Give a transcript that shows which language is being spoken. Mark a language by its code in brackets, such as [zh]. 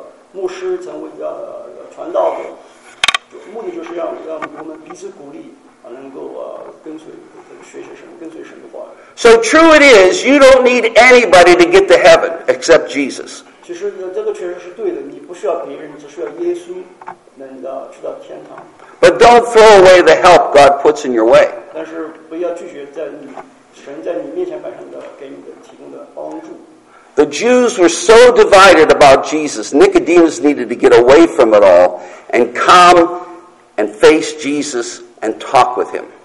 [zh] 牧师成为传道的，目的就是让我们彼此鼓励，能够跟随学习神，跟随神的话。 [en] So true it is, you don't need anybody to get to heaven except Jesus. [zh] 其实这个确实是对的，你不需要别人，你只需要耶稣能去到天堂。 [en] But don't throw away the help God puts in your way. [zh] 但是不要拒绝神在你面前摆上的给你的提供的帮助。 [en] The Jews were so divided about Jesus, Nicodemus needed to get away from it all and come and face Jesus and talk with him.